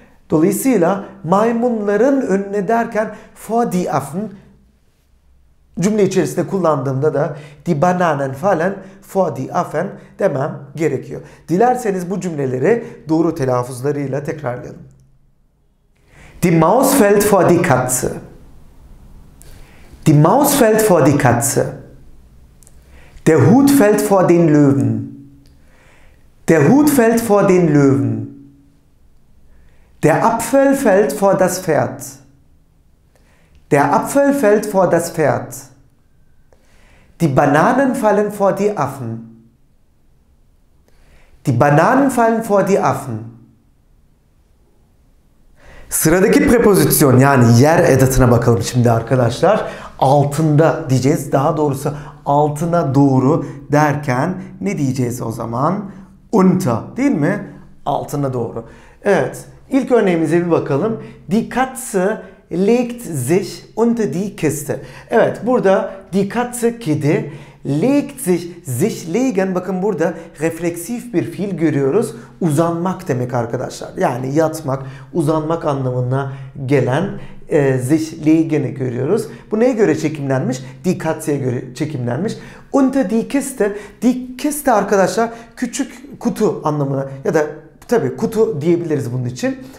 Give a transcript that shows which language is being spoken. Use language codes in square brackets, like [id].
[tr] Dolayısıyla maymunların önüne derken [de] vor die Affen [tr] cümle içerisinde kullandığımda da [de] die Bananen fallen vor die Affen [tr] demem gerekiyor. Dilerseniz bu cümleleri doğru telaffuzlarıyla tekrarlayalım. [de] Die Maus fällt vor die Katze. Die Maus fällt vor die Katze. Der Hut fällt vor den Löwen. Der Hut fällt vor den Löwen. Der Apfel fällt vor das Pferd. Der Apfel fällt vor das Pferd. Die Bananen fallen vor die Affen. Die Bananen fallen vor die Affen. [tr] Sıradaki preposition, yani yer edatına bakalım şimdi arkadaşlar. Altında diyeceğiz. Daha doğrusu altına doğru derken ne diyeceğiz o zaman? Unter, değil mi? Altına doğru. Evet. İlk örneğimize bir bakalım. [de] Die Katze legt sich unter die Kiste. [tr] Evet, burada [de] die Katze, [tr] kedi, [de] legt sich, sich legen, [tr] bakın burada refleksif bir fiil görüyoruz. Uzanmak demek arkadaşlar. Yani yatmak, uzanmak anlamına gelen [de] sich legen'i [tr] görüyoruz. Bu neye göre çekimlenmiş? Die Katze'ye göre çekimlenmiş. [de] Unter die Kiste, die Kiste [tr] arkadaşlar küçük kutu anlamına ya da tabii kutu diyebiliriz bunun için.